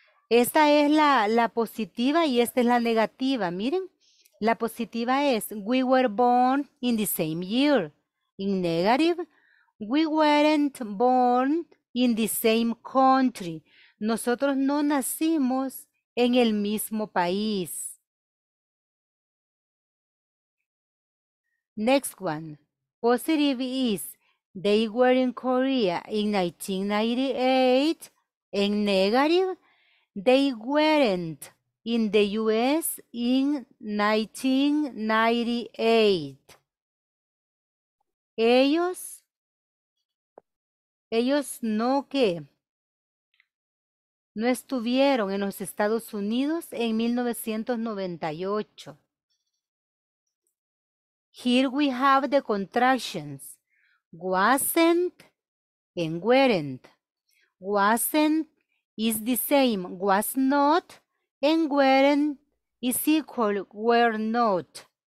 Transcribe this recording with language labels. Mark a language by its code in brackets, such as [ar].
[es] Esta es la positiva y esta es la negativa. Miren, la positiva es [en] we were born in the same year. In negative, we weren't born in the same country. [es] Nosotros no nacimos en el mismo país. [en] Next one. Positive is they were in Korea in 1998. En negative, they weren't in the US in 1998. [es] Ellos no qué, no estuvieron en los Estados Unidos en 1998. [en] Here we have the contractions, wasn't and weren't. Wasn't is the same, was not, and weren't is equal, were not.